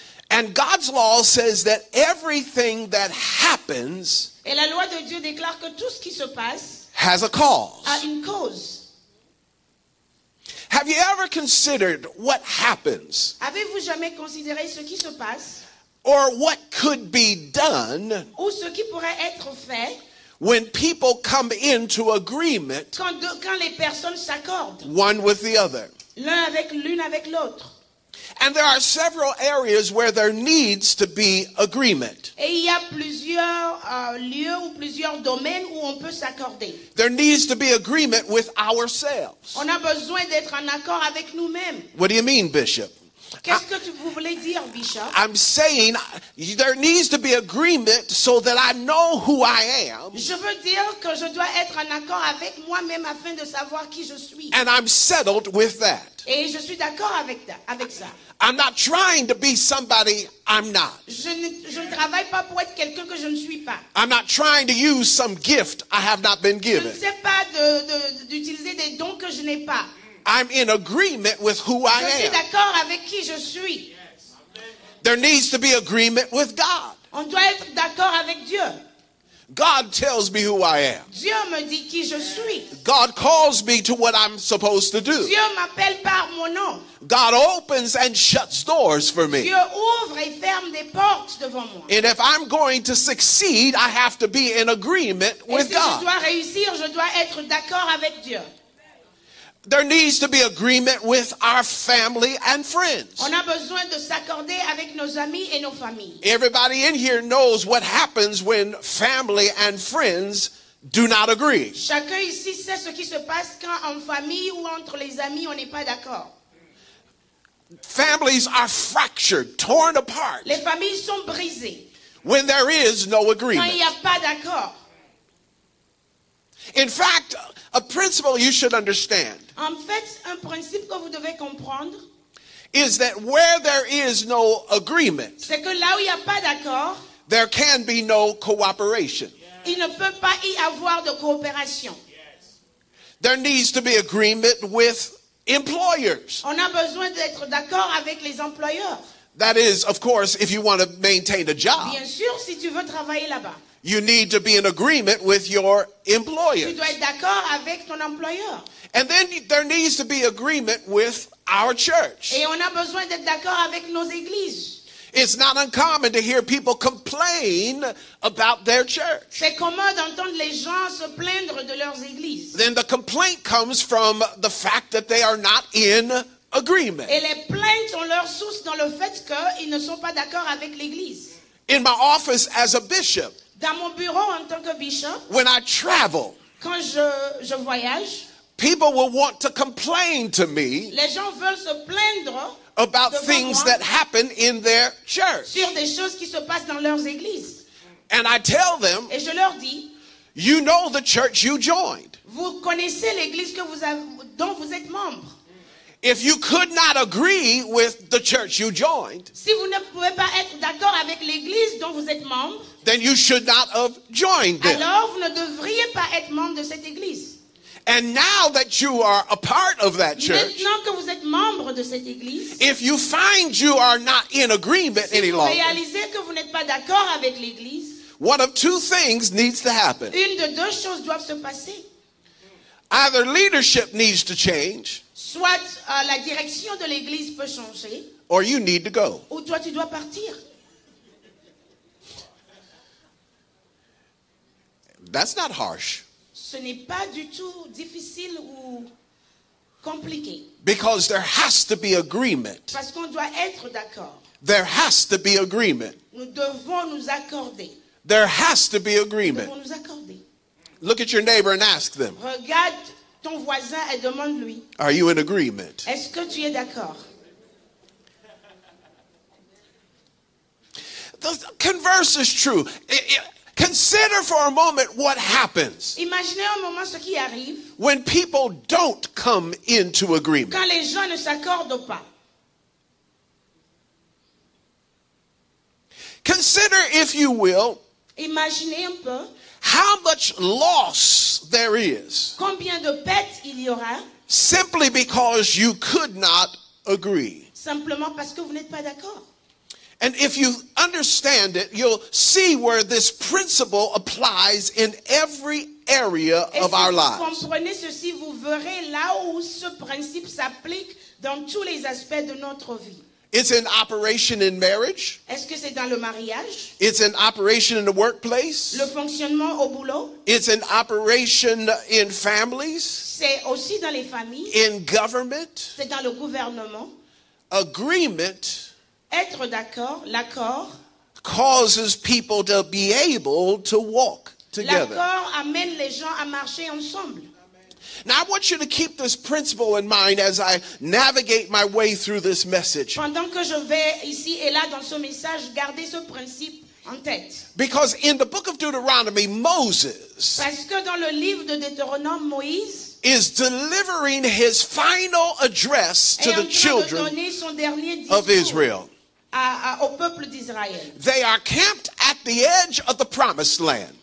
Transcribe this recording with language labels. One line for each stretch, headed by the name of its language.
English: And God's law says that everything that happens,
French: et la loi de Dieu déclare que tout ce qui se passe
English: has a cause.
French: A une cause.
English: Have you ever considered what happens?
French: Avez-vous jamais considéré ce qui se passe?
English: Or what could be done?
French: Ou ce qui pourrait être fait?
English: When people come into agreement,
French: quand les personnes s'accordent,
English: one with the other,
French: l'un avec l'une avec l'autre.
English: And there are several areas where there needs to be agreement.
French: Et il y a plusieurs lieux ou plusieurs domaines où on peut s'accorder.
English: There needs to be agreement with ourselves.
French: On a besoin d'être en accord avec nous-mêmes.
English: What do you mean, Bishop?
French: Qu'est-ce que vous voulez dire, Bishop?
English: I'm saying there needs to be agreement so that I know who I am.
French: Je veux dire que je dois être en accord avec moi-même afin de savoir qui je suis.
English: And I'm settled with that.
French: Et je suis d'accord avec ça.
English: I'm not trying to be somebody I'm not.
French: Je ne travaille pas pour être quelqu'un que je ne suis pas.
English: I'm not trying to use some gift I have not been given.
French: Je ne sais pas d'utiliser des dons que je n'ai pas.
English: I'm in agreement with who
French: je
English: I am.
French: Je suis d'accord avec qui je suis.
English: There needs to be agreement with God.
French: On doit être d'accord avec Dieu.
English: God tells me who I am.
French: Dieu me dit qui je suis.
English: God calls me to what I'm supposed to do.
French: Dieu m'appelle par mon nom.
English: God opens and shuts doors for me.
French: Dieu ouvre et ferme des portes devant moi.
English: And if I'm going to succeed, I have to be in agreement with God.
French: Et si je dois réussir, je dois être d'accord avec Dieu.
English: There needs to be agreement with our family and friends.
French: On a besoin de s'accorder avec nos amis et nos familles.
English: Everybody in here knows what happens when family and friends do not agree.
French: Chacun ici sait ce qui se passe quand en famille ou entre les amis on n'est pas d'accord.
English: Families are fractured, torn apart.
French: Les familles sont brisées.
English: When there is no agreement.
French: Quand il n'y a pas d'accord.
English: In fact, a principle you should understand,
French: en fait, un principe que vous devez comprendre,
English: is that where there is no agreement,
French: c'est que là où il y a pas d'accord,
English: there can be no cooperation. Yes.
French: Il ne peut pas y avoir de coopération.
English: Yes. There needs to be agreement with employers.
French: On a besoin d'être d'accord avec les employeurs.
English: That is, of course, if you want to maintain a job.
French: Bien sûr, si tu veux travailler là-bas.
English: You need to be in agreement with your employer.
French: Tu dois être d'accord avec ton employeur.
English: And then there needs to be agreement with our church.
French: Et on a besoin d'être d'accord avec nos églises.
English: It's not uncommon to hear people complain about their church.
French: C'est commun d'entendre les gens se plaindre de leurs églises.
English: Then the complaint comes from the fact that they are not in agreement.
French: Et les plaintes ont leur source dans le fait qu'ils ne sont pas d'accord avec l'église.
English: In my office as a bishop,
French: dans mon bureau en tant que bishop,
English: when I travel,
French: quand je voyage,
English: people will want to complain to me.
French: Les gens veulent se plaindre
English: about things that happen in their church.
French: Sur des choses qui se passent dans leurs églises.
English: And I tell them,
French: et je leur dis,
English: you know the church you joined.
French: Vous connaissez l'église que vous avez, dont vous êtes membre.
English: If you could not agree with the church you joined,
French: si vous ne pouvez pas être d'accord avec l'église dont vous êtes membre,
English: then you should not have joined them.
French: Alors vous ne devriez pas être membre de cette église.
English: And now that you are a part of that church,
French: maintenant que vous êtes membre de cette église,
English: if you find you are not in agreement
French: si
English: any
French: vous
English: longer,
French: réalisez que vous n'êtes pas d'accord avec l'église,
English: one of two things needs to happen.
French: Une de deux choses doivent se passer.
English: Either leadership needs to change,
French: soit la direction de l'église peut changer,
English: or you need to go.
French: Ou toi tu dois partir.
English: That's not harsh.
French: Ce n'est pas du tout difficile ou compliqué.
English: Because there has to be agreement.
French: Parce qu'on doit être d'accord.
English: There has to be agreement.
French: Nous devons nous accorder.
English: There has to be agreement.
French: Nous devons nous accorder.
English: Look at your neighbor and ask them.
French: Regarde ton voisin et demande-lui.
English: Are you in agreement?
French: Est-ce que tu es d'accord?
English: The converse is true. Consider for a moment what happens.
French: Imaginez un moment ce qui arrive.
English: When people don't come into agreement.
French: Quand les gens ne s'accordent pas.
English: Consider, if you will,
French: imaginez un peu.
English: How much loss there is.
French: Combien de pertes il y aura.
English: Simply because you could not agree.
French: Simplement parce que vous n'êtes pas d'accord.
English: And if you understand it, you'll see where this principle applies in every area of our lives.
French: Et si vous comprenez ceci, vous verrez là où ce principe s'applique dans tous les aspects de notre vie.
English: It's in operation in marriage.
French: Est-ce que c'est dans le mariage?
English: It's in operation in the workplace.
French: Le fonctionnement au boulot.
English: It's in operation in families.
French: C'est aussi dans les familles.
English: In government.
French: C'est dans le gouvernement.
English: Agreement.
French: Être d'accord, l'accord.
English: Causes people to be able to walk together.
French: L'accord amène les gens à marcher ensemble.
English: Now I want you to keep this principle in mind as I navigate my way through this message.
French: Pendant que je vais ici et là dans ce message, gardez ce principe en tête.
English: Because in the book of Deuteronomy, Moses,
French: parce que dans le livre de Deutéronome, Moïse,
English: is delivering his final address to the children of Israel.
French: Au peuple d'Israël.
English: They are camped at the edge of the promised land.